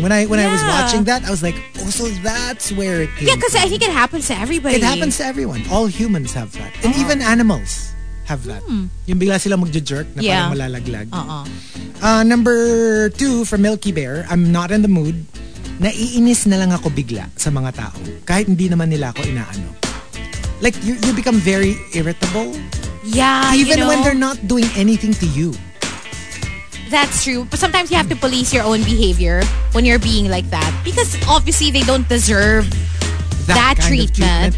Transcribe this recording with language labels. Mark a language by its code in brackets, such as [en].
[en] When I was watching that, I was like, oh, so that's where it came. Yeah, because I think it happens to everybody. It happens to everyone. All humans have that. And even animals have that. [tl] Mm. Yung bigla sila magja-jerk na parang malalaglag. Uh-uh. [en] Number two for Milky Bear, I'm not in the mood. [tl] Naiinis na lang ako bigla sa mga tao. Kahit hindi naman nila ako inaano. [en] Like, you become very irritable. Yeah, even you know. Even when they're not doing anything to you. That's true. But sometimes you have to police your own behavior when you're being like that. Because obviously they don't deserve that treatment.